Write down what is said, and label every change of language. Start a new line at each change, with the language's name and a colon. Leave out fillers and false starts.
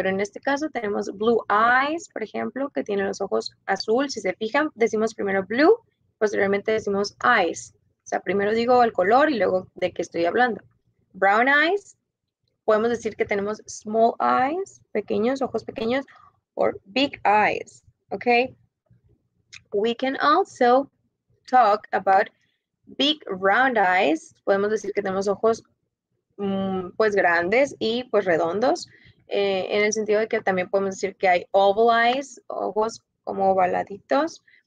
Spanish: Pero en este caso tenemos blue eyes, por ejemplo, que tiene los ojos azul. Si se fijan, decimos primero blue, posteriormente decimos eyes. O sea, primero digo el color y luego de qué estoy hablando. Brown eyes. Podemos decir que tenemos small eyes, pequeños, ojos pequeños,
English: or big eyes. Okay. We can also talk about big round eyes.
Spanish: Podemos decir que tenemos ojos pues grandes y pues redondos, en el sentido de que también podemos decir que hay oval eyes, ojos como ovaladitos.